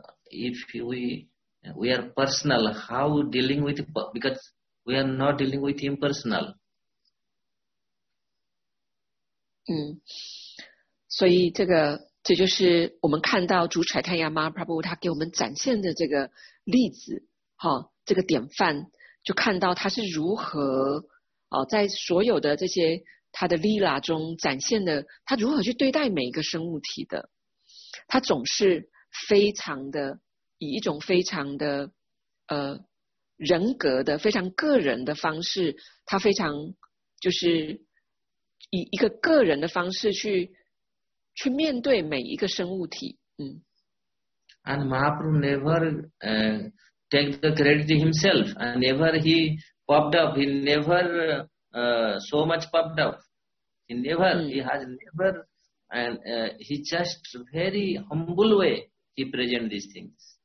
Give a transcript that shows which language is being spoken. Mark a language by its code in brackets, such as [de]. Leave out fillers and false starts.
[en] if we are personal, how dealing with, because we are not dealing with impersonal. [zh] 所以这就是我们看到主查坦亚马哈巴布他给我们展现的这个例子，这个典范，就看到他是如何在所有的这些他的 lila 中展现的他如何去对待每一个生物体的，他总是非常的以一种非常的人格的非常个人的方式，他非常就是以一个个人的方式去面对每一个生物体。 [en] And Mahaprabhu never take the credit himself, and never he popped up, he never so much popped up. He never, he has never, and he just very humble way he present these things.